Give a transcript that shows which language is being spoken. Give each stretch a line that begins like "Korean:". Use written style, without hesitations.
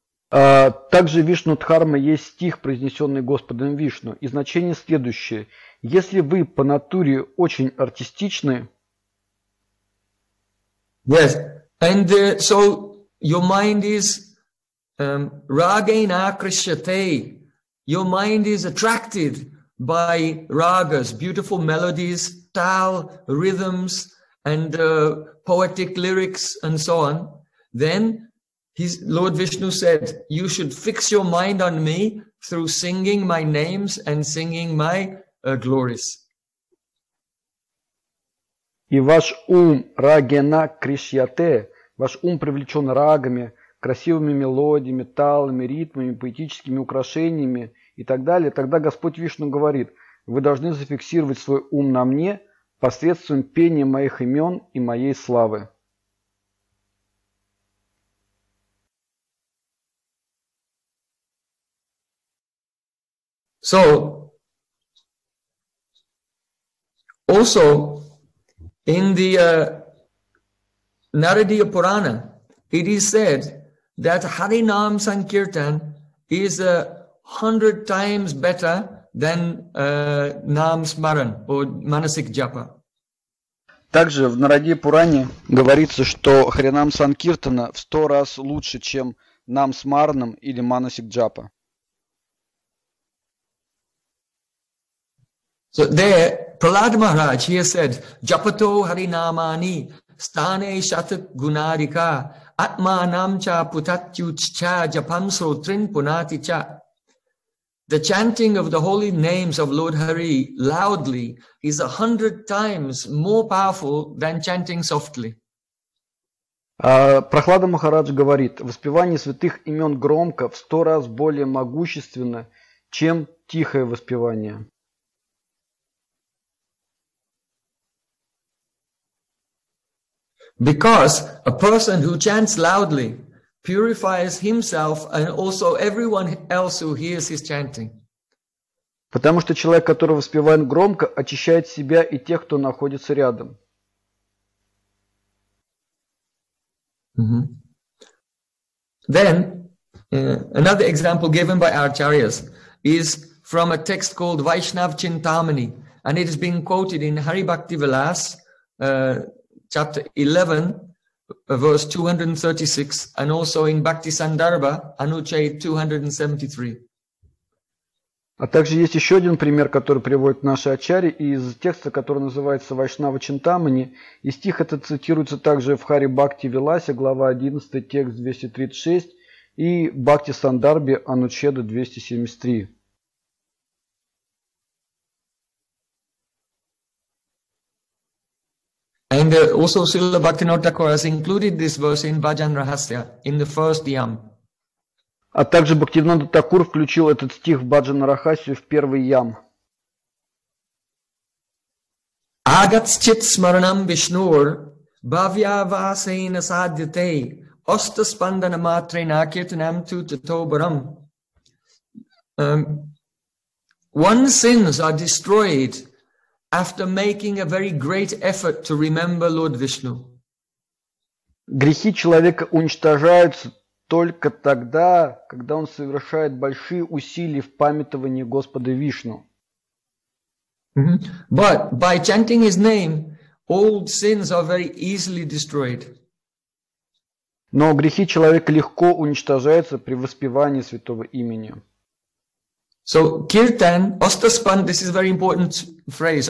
Russian: Также в Вишну Дхарме есть стих, произнесенный Господом Вишну, и значение следующее. Если вы по натуре очень артистичны,
English: yes, and so your mind is
Sanskrit: ragena krishyate,
English: your mind is attracted by ragas, beautiful melodies, tal, rhythms, and poetic lyrics, and so on, then Lord Vishnu said, you should fix your mind on me through singing my names and singing my glories.
Russian: И ваш ум
Sanskrit: рагена кришьяте,
Russian: ваш ум привлечен рагами, красивыми мелодиями, талами, ритмами, поэтическими украшениями и так далее. Тогда Господь Вишну говорит, вы должны зафиксировать свой ум на мне посредством пения моих имен и моей славы.
English: So, also in the Naradiya Purana, it is said that Harinam Sankirtan is 100 times better than Nam Smaran or Manasik Japa.
Russian: Также в Нарадия Пуране говорится, что Харинам Санкиртана в 100 раз лучше, чем Нам Смаранам или Манасик Джапа.
English: So there, Prahlad Maharaj, he has said,
Sanskrit: Japato Harinamani, Stane Shatak Gunarika, Atma Namcha Putatyuchcha, Japamso Trinpunaticha.
English: The chanting of the holy names of Lord Hari loudly is 100 times more powerful than chanting softly.
Russian: Prahlad Maharaj говорит, воспевание святых имен громко в 100 раз более могущественно, чем тихое воспевание.
English: Because a person who chants loudly purifies himself and also everyone else who hears his chanting.
Russian: Потому что человек, который воспевает громко, очищает себя и тех, кто находится рядом.
English: Then another example given by Acharyas is from a text called Vaishnav Chintamani, and it has been quoted in Hari Bhakti Vilas. Chapter 11, verse 236, and also in Bhakti Sandarbha, Anuchay 273.
Russian: А также есть еще один пример, который приводит наши ачари из текста, который называется Вайшнава Чинтамани. И стих этот цитируется также в Хари Бхакти Виласе, глава 11, текст 236, и Бхакти Сандарбе Анучеда 273.
English: And also Srila Bhaktivinoda Thakura has included this verse in Bhajan Rahasya, in the first yam.
Russian: А также Бхактивинода Такур включил этот стих в Бхаджан Рахасию в первый ям.
Sanskrit: Агатсчит смаранам вишнур бхавья васейна садьяте оста спандана матрена киртанам тутатобарам.
English: One's sins are destroyed after making a very great effort to remember Lord Vishnu.
Russian: Грехи человека уничтожаются только тогда, когда он совершает большие усилия в памятовании Господа Вишну.
English: But by chanting his name, old sins are very easily destroyed.
Russian: Но грехи человека легко уничтожаются при воспевании святого имени.
English: So kirtan, ostaspandana, this is a very important phrase.